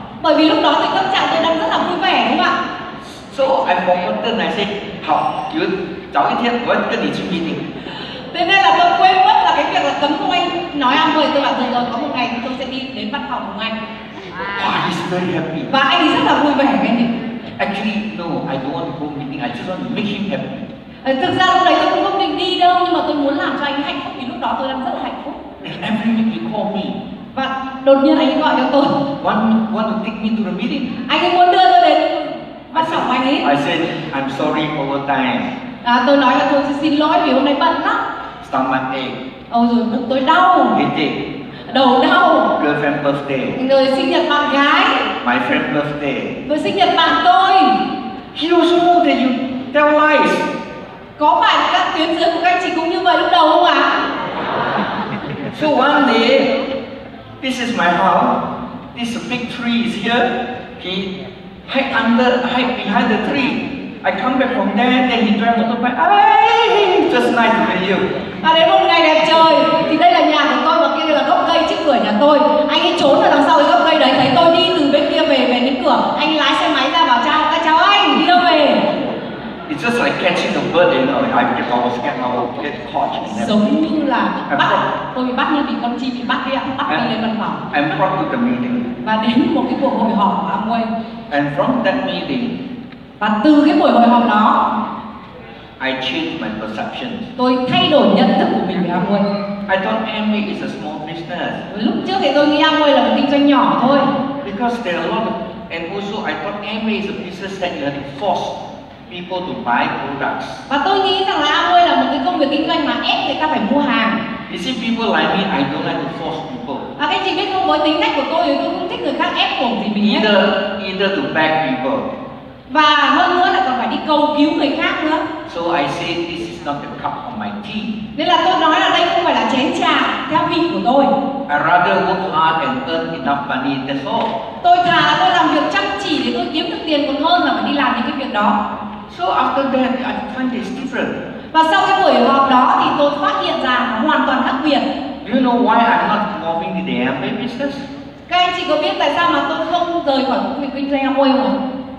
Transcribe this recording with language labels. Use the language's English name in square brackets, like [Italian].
[Vietnamese] Bởi vì lúc đó thì tâm trạng tôi đang rất là vui vẻ đúng không ạ? [English] So, I forgot the [Vietnamese] này xin. Học, chứ cháu ý thiết với cái gì chứng minh. Thế nên là tôi quên mất là cái việc là cấm của anh nói anh mời tôi bảo rồi có một ngày tôi sẽ đi đến văn phòng của anh. [English] Wow, he's very happy. [Vietnamese] Và anh rất là vui vẻ với anh. [English] Actually, no, I don't want to go meeting. I just want to make him happy. [Vietnamese] Thực ra lúc đấy tôi cũng không định đi đâu, nhưng mà tôi muốn làm cho anh hạnh phúc vì lúc đó tôi đang rất là hạnh phúc. [English] And every week he called me. [Vietnamese] Và đột nhiên anh ấy gọi cho tôi. [English] Want to take me to the meeting? [Vietnamese] Anh ấy muốn đưa tôi đến văn phòng anh ấy. [English] I said, I'm sorry over time. [Vietnamese] À, tôi nói là tôi xin lỗi vì hôm nay bận lắm. [English] Stomach ache. [Vietnamese] Ôi dồi, bụng tôi đau. [English] Headache. [Vietnamese] Đầu đau. [English] Girlfriend birthday. [Vietnamese] Người sinh nhật bạn gái. [English] My friend birthday. [Vietnamese] Người sinh nhật bạn tôi. [English] He also knows that you tell lies. [Vietnamese] Có phải các tuyến dưới của các anh chị cũng như vậy lúc đầu không ạ? À? [English] So one day, this is my house. This big tree is here. He hide under, hide behind the tree. I come back from there, then he drive motorbike. Just nice to meet you. [Vietnamese] Và đến một ngày đẹp trời, thì đây là nhà của tôi và kia là gốc cây trước cửa nhà tôi. Anh ấy trốn ở đằng sau cái gốc cây đấy, thấy tôi đi từ bên kia về về đến cửa. Anh lái xe máy ra bảo chào, các cháu anh, đi đâu về? [English] It's just like catching the bird, you know, I get almost get caught. [Vietnamese] Giống như là bắt, tôi bị bắt như bị con chim bị bắt đi ạ, bắt đi lên văn phòng. [English] And from the meeting. [Vietnamese] Và đến một cái cuộc hội họp của Amway. [English] And from that meeting. [Vietnamese] Và từ cái buổi hội họp đó, [English] I changed my perception. [Vietnamese] Tôi thay đổi nhận thức của mình về Amway. [English] I thought Amway is a small business. [Vietnamese] Lúc trước thì tôi nghĩ Amway là một kinh doanh nhỏ thôi. [English] Because there are a lot of, and also I thought Amway is a business that you have to force people to buy products. [Vietnamese] Và tôi nghĩ rằng là Amway là một cái công việc kinh doanh mà ép người ta phải mua hàng. [English] You see, people like me, I don't like to force people. [Vietnamese] À, các anh chị biết không, với tính cách của tôi thì tôi không thích người khác ép buộc gì mình. [English] Either to beg people. [Vietnamese] Và hơn nữa là còn phải đi cầu cứu người khác nữa. [English] So I say this is not the cup of my tea. [Vietnamese] Nên là tôi nói là đây không phải là chén trà theo vị của tôi. [English] I rather work hard and earn enough money, that's all. [Vietnamese] Tôi thà là tôi làm việc chăm chỉ để tôi kiếm được tiền còn hơn là phải đi làm những cái việc đó. [English] So after that I find it's different. [Vietnamese] Và sau cái buổi họp đó thì tôi phát hiện ra nó hoàn toàn khác biệt. [English] Do you know why I'm not moving to the Amway business? [Vietnamese] Các anh chị có biết tại sao mà tôi không rời khỏi công việc kinh doanh Amway không?